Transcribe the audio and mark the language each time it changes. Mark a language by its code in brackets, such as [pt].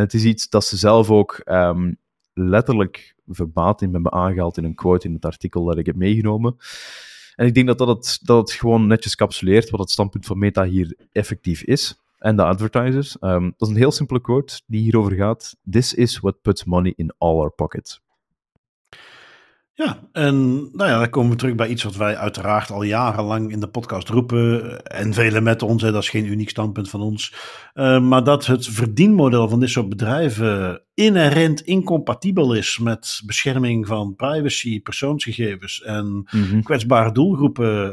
[nl] En het is iets dat ze zelf ook letterlijk verbaat in hebben aangehaald in een quote in het artikel dat ik heb meegenomen. En ik denk dat het gewoon netjes capsuleert wat het standpunt van Meta hier effectief is. En de advertisers. Dat is een heel simpele quote die hierover gaat. [en] This is what puts money in all our pockets. [nl] Ja, en nou ja, dan komen we terug bij iets wat wij uiteraard al jarenlang in de podcast roepen. En velen met ons, hè, dat is geen uniek standpunt van ons. Maar dat het verdienmodel van dit soort bedrijven inherent incompatibel is met bescherming van privacy, persoonsgegevens en kwetsbare doelgroepen.